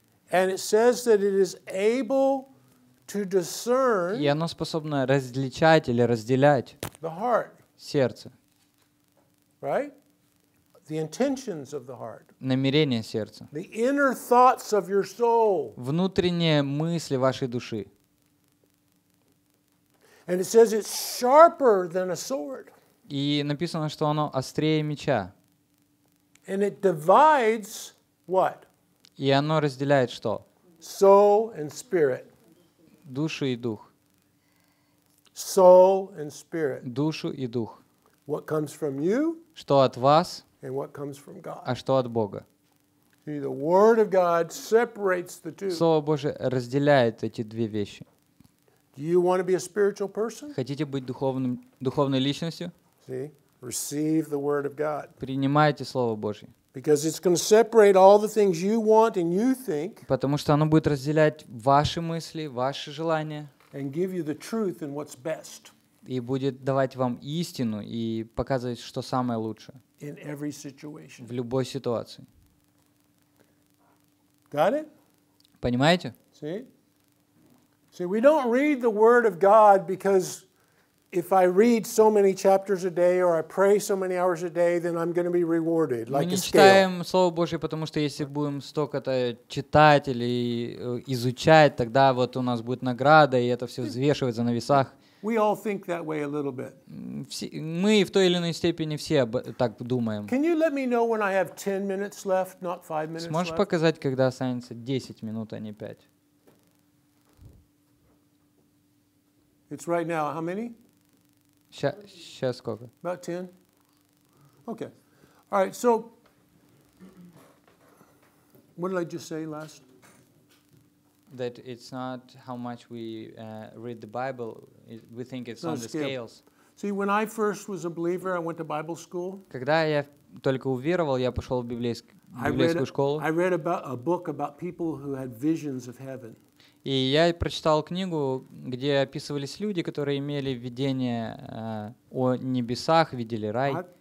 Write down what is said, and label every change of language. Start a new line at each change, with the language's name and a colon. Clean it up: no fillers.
English: And it says that it is able to discern.
Russian: И оно способно различать или разделять.
English: The heart.
Russian: Сердце.
English: Right? The intentions of the heart.
Russian: Намерения сердца.
English: The inner thoughts of your soul.
Russian: Внутренние мысли вашей души.
English: And it says it's sharper than a sword.
Russian: И написано, что оно острее меча.
English: And it divides what?
Russian: И оно разделяет что?
English: Soul and spirit.
Russian: Душу и дух.
English: Soul and spirit.
Russian: Душу и дух.
English: What comes from you?
Russian: Что от вас?
English: And what comes from God?
Russian: А что от Бога?
English: See, the word of God separates the two.
Russian: Слово Божие разделяет эти две вещи.
English: Do you want to be a spiritual person?
Russian: Хотите быть духовной личностью?
English: See? Receive the word of God.
Russian: Принимайте Слово Божье.
English: Because it's going to separate all the things you want and you think.
Russian: Потому что оно будет разделять ваши мысли, ваши желания.
English: And give you the truth and what's best.
Russian: И будет давать вам истину и показывать, что самое лучшее.
English: In every situation.
Russian: В любой ситуации.
English: Got it?
Russian: Понимаете?
English: See? See, we don't read the word of God because if I read so many chapters a day or I pray so many hours a day, then I'm going to be rewarded, like a scale.
Russian: Мы читаем Слово Божье, потому что если будем столько-то читать или изучать, тогда вот у нас будет награда, и это все взвешивается на весах.
English: We all think that way a little bit.
Russian: Мы в той или иной степени все так думаем.
English: Can you let me know when I have 10 minutes left, not 5 minutes left?
Russian: Сможешь показать, когда останется 10 минут, а не 5?
English: It's right now. How many?
Russian: Сейчас сколько?
English: About 10. Okay. All right. So, what did I just say last? That it's not how much we read the Bible. We think it's on the scales. See, when I first was a believer, I went to Bible school.
Russian: Когда я только уверовал, я пошел в библейскую школу.
English: I read about a book about people who had visions of heaven.
Russian: И я прочитал книгу, где описывались люди, которые имели видение о небесах, видели рай.